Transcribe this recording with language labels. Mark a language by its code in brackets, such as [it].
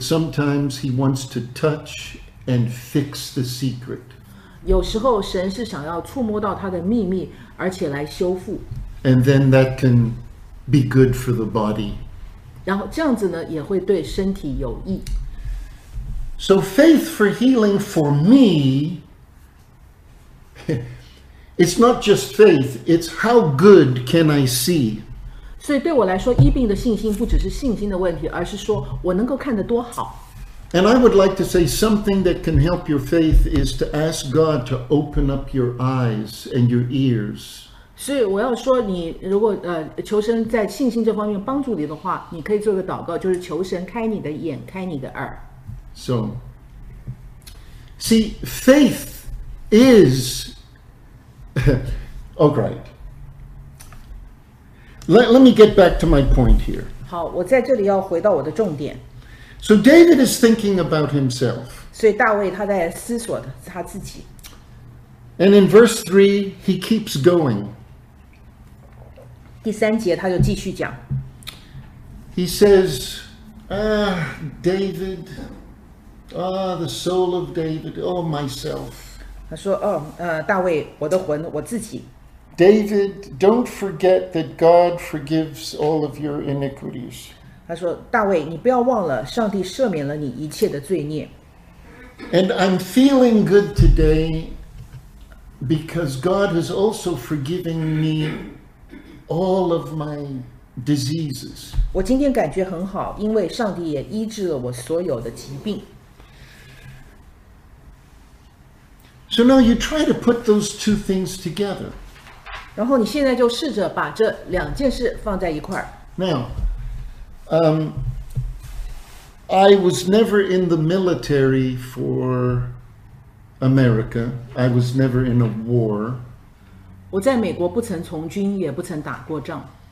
[en] Sometimes He wants to touch and fix the secret. [zh] 有时候神是想要触摸到他的秘密，而且来修复。 [en] And then that can be good for the body. [zh] 然后这样子呢，也会对身体有益。 [en] So faith for healing for me, it's not just faith; it's how good can I see. [zh] 所以对我来说，医病的信心不只是信心的问题，而是说我能够看得多好。 [en] And I would like to say something that can help your faith is to ask God to open up your eyes and your ears. [zh] 所以我要说，你如果求神在信心这方面帮助你的话，你可以做个祷告，就是求神开你的眼，开你的耳。 [en] So, see, faith is, oh, right. Let me get back to my point here. [zh] 好，我在这里要回到我的重点。 [en] So David is thinking about himself. [zh] 所以大卫他在思索他自己。 [en] And in verse 3, he keeps going. [zh] 第三节他就继续讲。 [en] He says, David, the soul of David, oh myself. [zh] 他说，大卫，我的魂，我自己。 [en] David, don't forget that God forgives all of your iniquities. [zh] 他说，大卫，你不要忘了，上帝赦免了你一切的罪孽。 [en] And I'm feeling good today because God has also forgiven me. All of my diseases. [zh] 我今天感觉很好，因为上帝也医治了我所有的疾病。 [en] So now you try to put those two things together. [zh] 然后你现在就试着把这两件事放在一块儿。 [en] Now, I was never in the military for America. I was never in a war. [zh] 我在美国不曾从军，也不曾打过仗。